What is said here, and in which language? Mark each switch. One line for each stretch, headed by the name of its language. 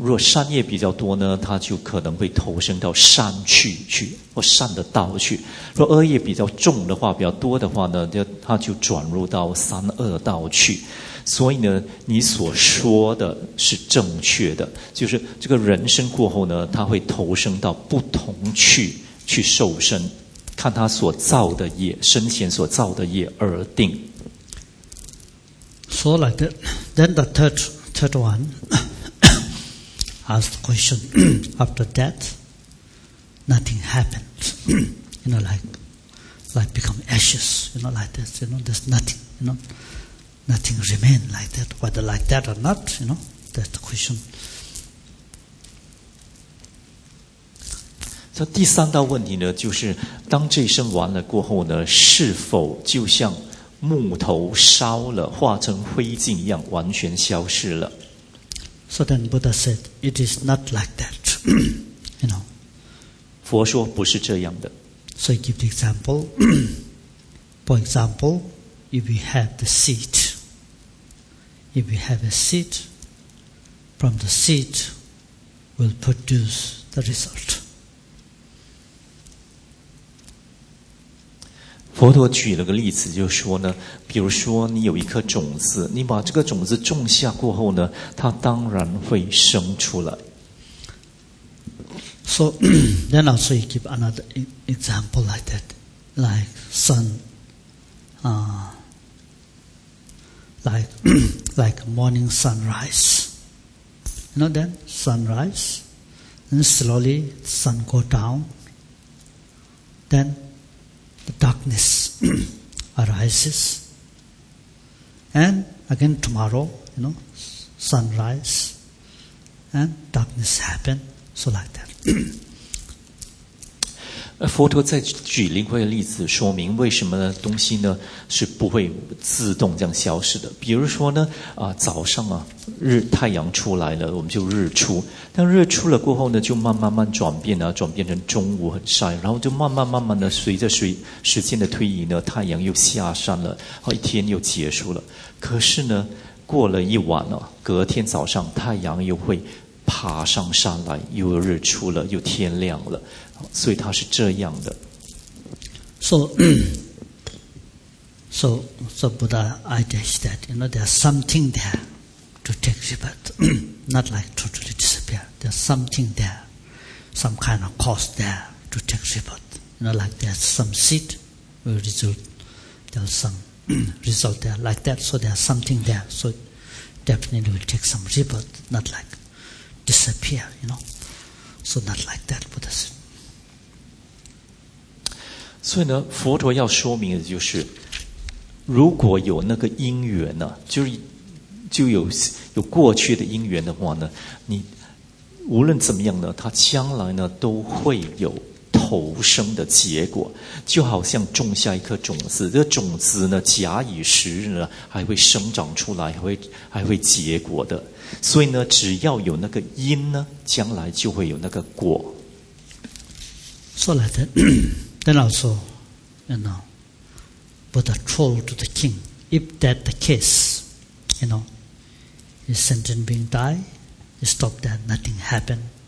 Chinese: 若善业比较多呢，他就可能会投生到善趣去或善的道去；若恶业比较重的话，比较多的话呢，他就转入到三恶道去。所以呢，你所说的是正确的，就是这个人生过后呢，他会投生到不同去受生，看他所造的业，生前所造的业而定。
English: So like that, then the third one asked question. After that, nothing happened. You know, like become ashes. You know, like this. You know, there's nothing. You know. Nothing remain like that, whether like that or not, you know, that's the question.
Chinese: 这第三道问题呢，就是当这一生完了过后呢，是否就像木头烧了，化成灰烬一样，完全消失了
English: ？So then Buddha said, it is not like that, you know.
Chinese: 佛说不是这样的。
English: So he gave the example. For example, if we have the seed. If we have a seed, from the seed will produce the result.
Chinese: 佛陀举了个例子，就说呢，比如说你有一颗种子，你把这个种子种下过后呢，它当然会生出来。
English: So then also you give another example like that, like sun, like morning sunrise. You know that? Sunrise. Then slowly the sun go down. Then the darkness arises. And again tomorrow, you know, sunrise and darkness happen. So like that.
Chinese: 佛陀在举另外一个例子，说明为什么东西呢是不会自动这样消失的。比如说呢，早上啊，太阳出来了，我们就日出。但日出了过后呢，就慢慢转变啊，转变成中午很晒，然后就慢慢的随着时间的推移呢，太阳又下山了，然后一天又结束了。可是呢，过了一晚啊，隔天早上太阳又会爬上山来，又日出了，又天亮了。所以它是这样的。
English: So Buddha idea is that, you know, there's something there to take rebirth, not like totally disappear. There's something there, some kind of cause there to take rebirth. You know, like there's some seed will result, there's some result there like that. So there's something there. So definitely will take some rebirth, not like disappear, you know. So not like that, Buddha said.
Chinese: 所以呢，佛陀要说明的就是，如果有那个因缘呢、啊，就有过去的因缘的话呢，你无论怎么样呢，它将来呢都会有投生的结果。就好像种下一颗种子，这个、种子呢，假以时日呢，还会生长出来，还会结果的。所以呢，只要有那个因呢，将来就会有那个果。
English: So like that, then also, you know, Buddha told to the king, if that's the case, you know, his sentient being die, he stop that, nothing happen.